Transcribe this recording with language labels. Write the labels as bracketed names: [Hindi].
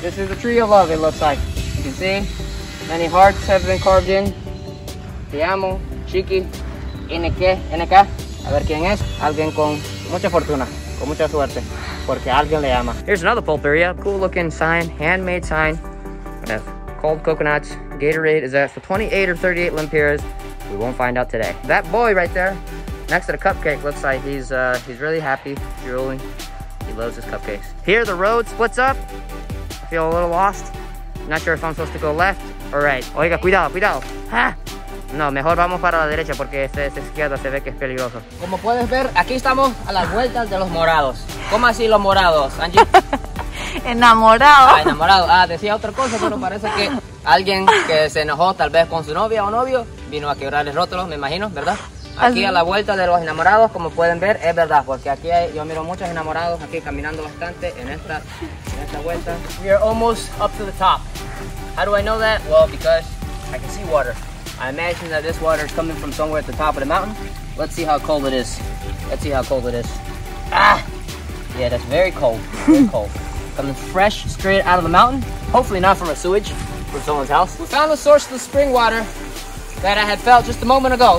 [English] This is the tree of love, it looks like. You can see, many hearts have been carved in. [Spanish] Te amo, Chiqui, NK. A ver quién es. Alguien con mucha fortuna, con mucha suerte, porque alguien le ama. [English] Here's another pulpería. Cool looking sign, handmade sign. With cold coconuts. Gatorade is at for 28 or 38 lempiras. We won't find out today. That boy right there. Next to the cupcake, looks like he's really happy, drooling. He loves his cupcakes. Here, the road splits up. I feel a little lost. Not sure if I'm supposed to go left or right. [Spanish] Oiga, cuidado, cuidado. Ah. No, mejor vamos para la derecha porque esta izquierda se ve que es peligroso. Como puedes ver, aquí estamos a las vueltas de los morados. ¿Cómo así los morados, Angie? Enamorado. Ah, enamorado. Ah, decía otra cosa, pero parece que alguien que se enojó tal vez con su novia o novio vino a quebrar el rótulo, me imagino, ¿verdad? Aquí a la vuelta de los enamorados, como pueden ver, es verdad, porque aquí hay, yo miro muchos enamorados aquí caminando bastante en esta vuelta. [English] We are almost up to the top. How do I know that? Well, because I can see water. I imagine that this water is coming from somewhere at the top of the mountain. Let's see how cold it is. Let's see how cold it is. Ah! Yeah, that's very cold. Very cold. Coming fresh, straight out of the mountain. Hopefully not from a sewage, from someone's house. We found the source of the spring water that I had felt just a moment ago.